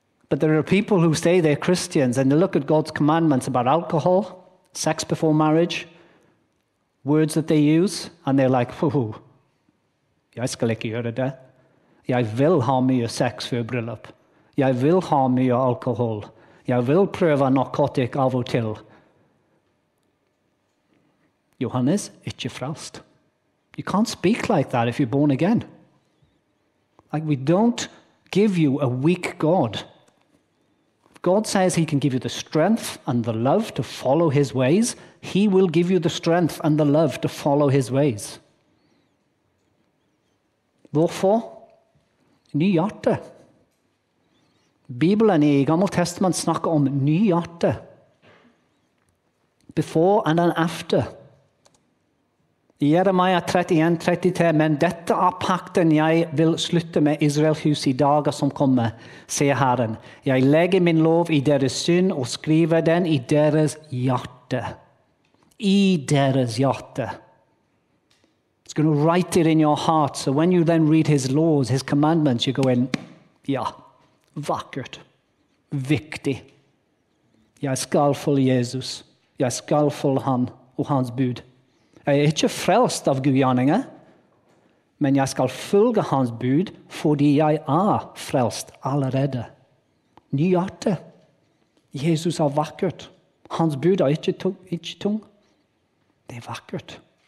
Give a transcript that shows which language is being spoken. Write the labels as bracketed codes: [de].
[en] But there are people who say they're Christians and they look at God's commandments about alcohol, sex before marriage, words that they use, and they're like, whoo, [no] jeg skal ikke gjøre det. Jeg vil ha mye sex før bryllup. Jeg vil ha mye alkohol. Jeg vil prøve narkotik av og til. Johannes, ikke frelst. [en] You can't speak like that if you're born again. Like, we don't give you a weak God. God says he can give you the strength and the love to follow his ways. He will give you the strength and the love to follow his ways. [no] Hvorfor? Ny hjerte. Bibelen i Gammelt Testament snakker om ny hjerte. [en] Before and then after. [no] I Jeremia 31:33, men dette er pakten jeg vil slutte med Israels hus i dager som kommer, sier Herren. Jeg legger min lov i deres synd og skriver den i deres hjerte. I deres hjerte. [en] It's going to write it in your heart. So when you then read his laws, his commandments, you go in, yeah, [no] vakkert. viktig. Jeg skal følge Jesus. Jeg skal følge han og hans bud. Jeg er ikke frelst av gudgjerninger, men jeg skal følge hans bud fordi jeg er frelst allerede. Ny hjerte. Jesus er vakkert. Hans bud er ikke tung. Det er vakkert.